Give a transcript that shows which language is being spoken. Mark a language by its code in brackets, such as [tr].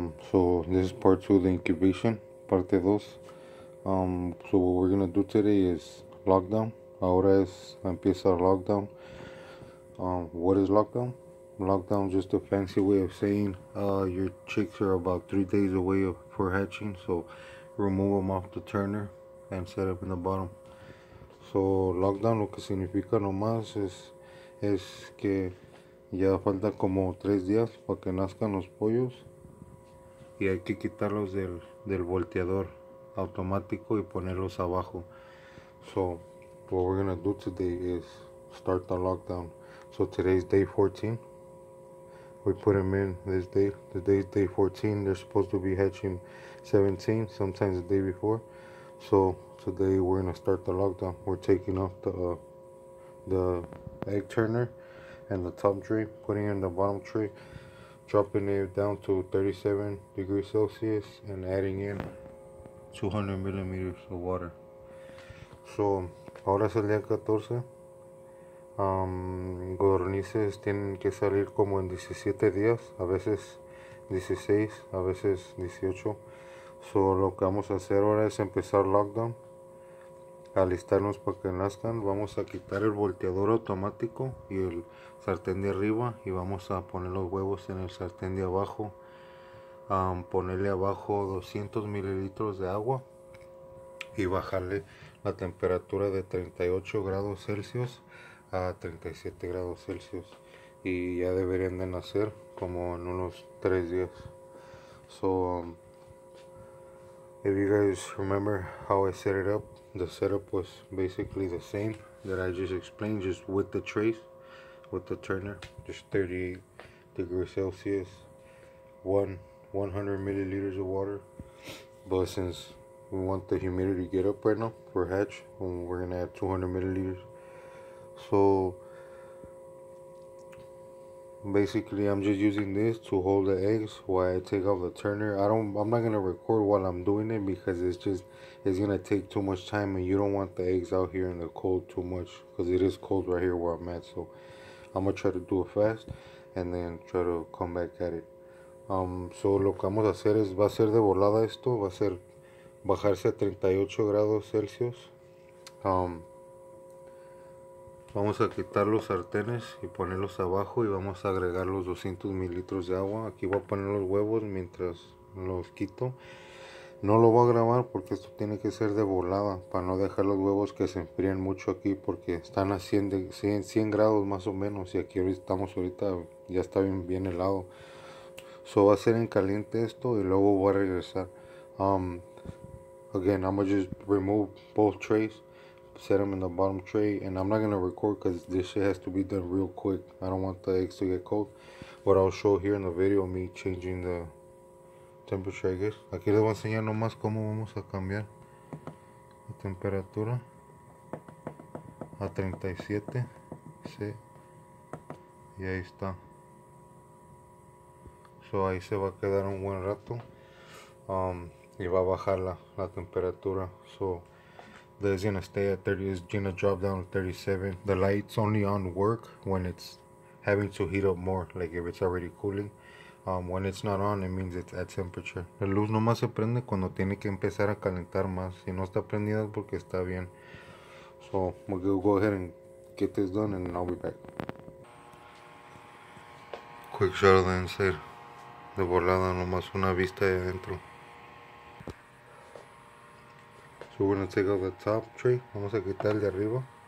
[en] So this is part 2 of the incubation, [es] parte 2. [en] So what we're gonna do today is lockdown. [es] Ahora es empieza lockdown. [en] What is lockdown? Lockdown is just a fancy way of saying your chicks are about 3 days away for hatching, so remove them off the turner and set up in the bottom. [es] So lockdown lo que significa nomás es que ya falta como 3 días para que nazcan los pollos y hay que quitarlos del volteador automático y ponerlos abajo. [en] So what we're gonna do today is start the lockdown. So today is day 14. We put them in this day. Today is day 14. They're supposed to be hatching 17, sometimes the day before. So today we're gonna start the lockdown. We're taking off the egg turner and the top tray, putting it in the bottom tray, dropping it down to 37 degrees Celsius and adding in 200 millimeters of water. [es] So, ahora es el día 14. Codornices tienen que salir como en 17 días, a veces 16, a veces 18. So, lo que vamos a hacer ahora es empezar lockdown, alistarnos para que nazcan. Vamos a quitar el volteador automático y el sartén de arriba y vamos a poner los huevos en el sartén de abajo. Ponerle abajo 200 mililitros de agua y bajarle la temperatura de 38 grados Celsius a 37 grados Celsius y ya deberían de nacer como en unos 3 días. [en] So if you guys remember how I set it up, the setup was basically the same that I just explained, just with the trays, with the turner, just 38 degrees Celsius, 100 milliliters of water. But since we want the humidity to get up right now for hatch, we're gonna add 200 milliliters. So basically I'm just using this to hold the eggs while I take off the turner. I'm not gonna record while I'm doing it because it's gonna take too much time and you don't want the eggs out here in the cold too much, because it is cold right here where I'm at. So I'm gonna try to do it fast and then try to come back at it. [es] So lo que vamos a hacer es, va a ser de volada esto, va a ser bajarse a 38 grados Celsius. Vamos a quitar los sartenes y ponerlos abajo y vamos a agregar los 200 mililitros de agua. Aquí voy a poner los huevos mientras los quito. No lo voy a grabar porque esto tiene que ser de volada para no dejar los huevos que se enfríen mucho aquí, porque están a 100 grados más o menos y aquí estamos ahorita, ya está bien helado. So va a ser en caliente esto y luego voy a regresar. [en] Again, I'm going to just remove both trays, set them in the bottom tray, and I'm not going to record because this shit has to be done real quick. I don't want the eggs to get cold, but I'll show here in the video me changing the temperature, I guess. [es] Aquí les voy a enseñar nomás cómo vamos a cambiar la temperatura a 37, sí, y ahí está. So ahí se va a quedar un buen rato, y va a bajar la temperatura. [en] So that is gonna stay at 30, it's gonna drop down to 37. The lights only on work when it's having to heat up more, like if it's already cooling. When it's not on, it means it's at temperature. [es] La luz nomás se prende cuando tiene que empezar a calentar más. Si no está prendida es porque está bien. [en] So we'll go ahead and get this done and I'll be back. Quick shot of the inside. [es] De volada nomás una vista de adentro. [en] So we're gonna take out the top tray. [es] Vamos a quitar el de arriba.